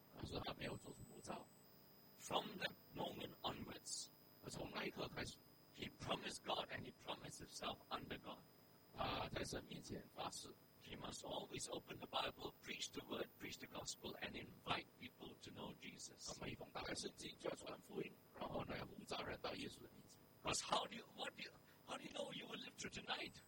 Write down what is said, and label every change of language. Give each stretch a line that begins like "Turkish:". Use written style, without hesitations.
Chinese: 他说他没有做出呼召.
English: From that moment onwards,
Chinese: 从那一刻开始,
English: he promised God and he promised himself under God.
Chinese: 他在神面前发誓.
English: He must always open the Bible, preach the word, preach the gospel, and invite people to know Jesus.
Chinese: 那么一封打开圣经就要传福音，然后呢，呼召人到耶稣的面前.
English: Because how do you know you will live through tonight?